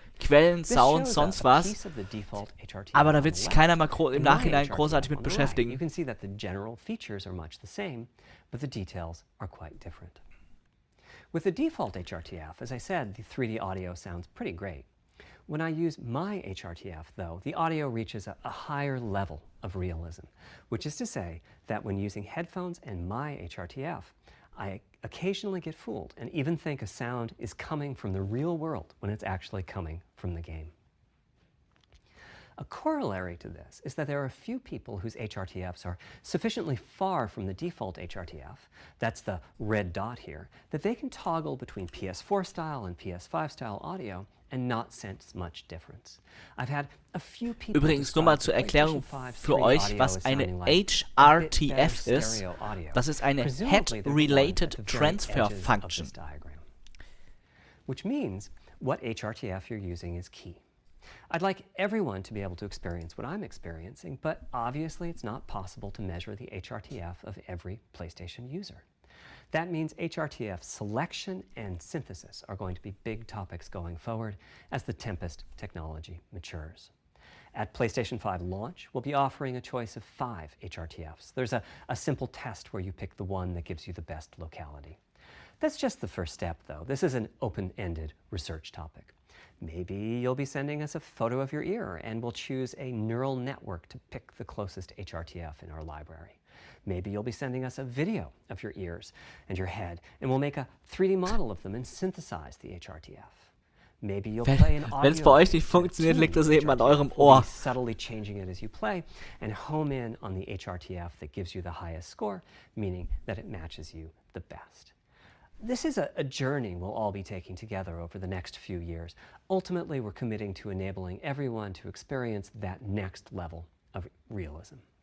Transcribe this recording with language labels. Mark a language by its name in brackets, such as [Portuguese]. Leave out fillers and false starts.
[German] Quellen, Sounds, sonst was. Aber da wird sich keiner mal im Nachhinein großartig mit beschäftigen. [English] You can see that the general features are much the same, but the details are quite different. With the default HRTF, as I said, the 3D audio sounds pretty great. When I use my HRTF, though, the audio reaches a higher level of realism, which is to say that when using headphones and my HRTF, I occasionally get fooled and even think a sound is coming from the real world when it's actually coming from the game. A corollary to this is that there are a few people whose HRTFs are sufficiently far from the default HRTF, that's the red dot here, that they can toggle between PS4 style and PS5 style audio and not sense much difference. I've had a few people. [German] Übrigens, nur mal zur Erklärung für euch, was eine HRTF ist. Das ist eine head-related transfer function. [English] Which means what HRTF you're using is key. I'd like everyone to be able to experience what I'm experiencing, but obviously it's not possible to measure the HRTF of every PlayStation user. That means HRTF selection and synthesis are going to be big topics going forward as the Tempest technology matures. At PlayStation 5 launch, we'll be offering a choice of 5 HRTFs. There's a simple test where you pick the one that gives you the best locality. That's just the first step, though. This is an open-ended research topic. Maybe you'll be sending us a photo of your ear and we'll choose a neural network to pick the closest HRTF in our library. Maybe you'll be sending us a video of your ears and your head and we'll make a 3D model of them and synthesize the HRTF. Maybe you'll play an audio. [German] Wenn es bei euch nicht funktioniert, liegt das eben an eurem Ohr. [English] We'll be subtly changing it as you play and home in on the HRTF that gives you the highest score, meaning that it matches you the best. This is a journey we'll all be taking together over the next few years. Ultimately, we're committing to enabling everyone to experience that next level of realism.